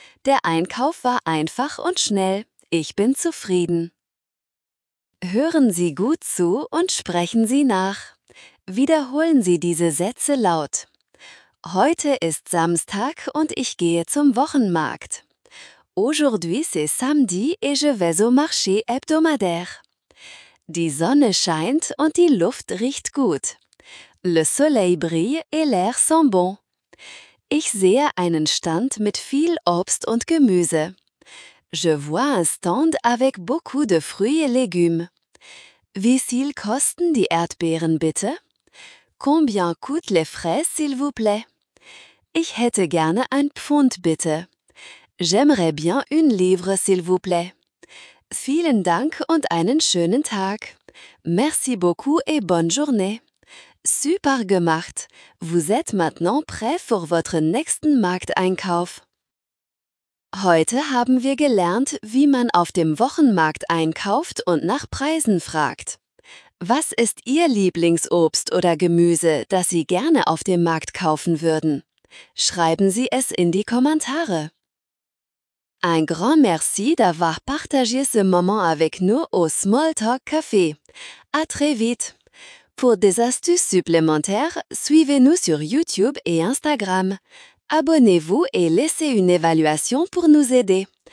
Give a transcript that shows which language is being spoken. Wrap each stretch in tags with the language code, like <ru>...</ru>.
<de>Der Einkauf war einfach und schnell. Ich bin zufrieden. Hören Sie gut zu und sprechen Sie nach. Wiederholen Sie diese Sätze laut. Heute ist Samstag und ich gehe zum Wochenmarkt.</de> <fr>Aujourd'hui c'est samedi et je vais au marché hebdomadaire.</fr> <de>Die Sonne scheint und die Luft riecht gut.</de> <fr>Le soleil brille et l'air sent bon.</fr> <de>Ich sehe einen Stand mit viel Obst und Gemüse.</de> <fr>Je vois un stand avec beaucoup de fruits et légumes.</fr> <de>Wie viel kosten die Erdbeeren bitte?</de> <fr>Combien coûtent les fraises, s'il vous plaît?</fr> <de>Ich hätte gerne ein Pfund bitte.</de> <fr>J'aimerais bien une livre, s'il vous plaît.</fr> <de>Vielen Dank und einen schönen Tag.</de> <fr>Merci beaucoup et bonne journée.</fr> <de>Super gemacht.</de> <fr>Vous êtes maintenant prêt pour votre</fr> <de>nächsten Markteinkauf. Heute haben wir gelernt, wie man auf dem Wochenmarkt einkauft und nach Preisen fragt. Was ist Ihr Lieblingsobst oder Gemüse, das Sie gerne auf dem Markt kaufen würden? Schreiben Sie es in die Kommentare.</de> <fr>Un grand merci d'avoir partagé ce moment avec nous au Small Talk Café. À très vite! Pour des astuces supplémentaires, suivez-nous sur YouTube et Instagram. Abonnez-vous et laissez une évaluation pour nous aider.</fr>